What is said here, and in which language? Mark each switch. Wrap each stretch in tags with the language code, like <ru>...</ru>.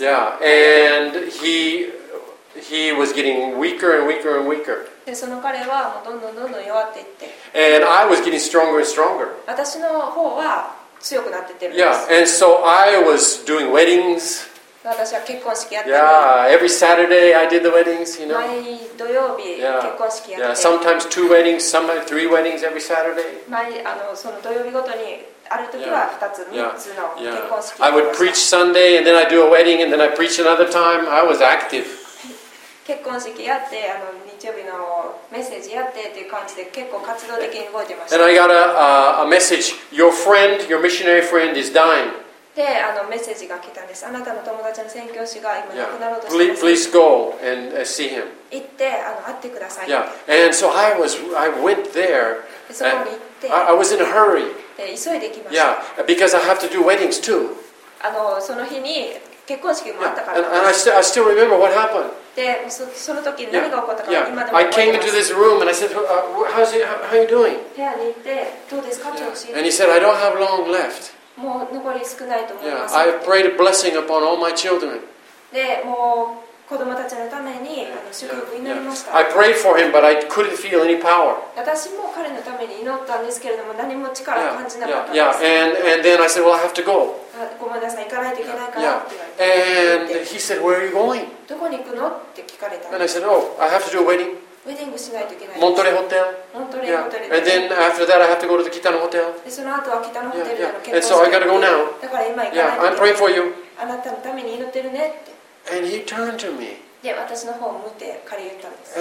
<en>Yeah, and he was getting weaker and weaker and weaker.</en> <ja>でその彼はもうどんどん弱っていって。</ja> <en>And I was getting stronger and stronger.</en> <ja>私の方は強くなってってるんです。</ja> <en>Yeah, and so I was doing weddings.</en> <ja>私は結婚式やってる。</ja> <en>Yeah, every Saturday I did the weddings, you know.</en> <ja>毎土曜日結婚式やって。</ja> <en>Yeah, sometimes two weddings, sometimes three weddings every Saturday.</en> <ja>毎その土曜日ごとにある時は2つ、3つの結婚式。</ja> <en>I would preach Sunday and then I'd do a wedding and then I'd preach another time. I was active.</en> <ja>結婚式やって、日曜日のメッセージやってっていう感じで結構活動的に動いてました。</ja> <en>And I got a message. Your friend, your missionary friend is dying.</en> <ja>で、メッセージが来たんです。あなたの友達の宣教師が今亡くなろうとしています。</ja> <en>Please go and see him.</en> <ja>行って、会ってください。</ja> <en>Yeah. And so I went there.</en> <ja>そこに行って、</ja> <en>I was in a hurry.</en> <ja>で、急いで行きました。</ja> <en>Yeah. Because I have to do weddings too.</en> <ja>その日に結婚式もあったから。</ja> <en>Yeah. And I still remember what happened.</en> <ja>で、その時何が起こったか今でも覚えてます。</ja> <en>I came into this room and I said, how are you doing?</en> <ja>部屋に行って、どうですか？</ja> <en>And he said, I don't have long left.</en> <ja>もう残り少ないと思います。</ja> <en>I have prayed a blessing upon all my children.</en> <ja>で、もう子供たちのために祝福祈りました。</ja> <en>I prayed for him, but I couldn't feel any power.</en> <ja>私も彼のために祈ったんですけれども、何も力を感じなかったんです。</ja> <en>And then I said, well, I have to go.</en> <ja>ごめんなさい、行かないといけないから</ja> <en>And he said, where are you going?</en> <ja>どこに行くのって聞かれた。</ja> <en>And I said, oh, I have to do a wedding.</en> <ja>ウェディングしないといけない。モントレホテル。モントレホテル。</ja> <en>And then after that, I have to go to the キタノホテル。</en> <ja>で、その後は北のホテルでの結婚。</ja> <en>And so I gotta go now.</en> <ja>だから今行かないといけない。</ja> <en>I'm praying for you.</en> <ja>あなたのために祈ってるねって。</ja> <en>And he turned to me.</en> <ja>で、私の方を向いて彼言ったんです。</ja>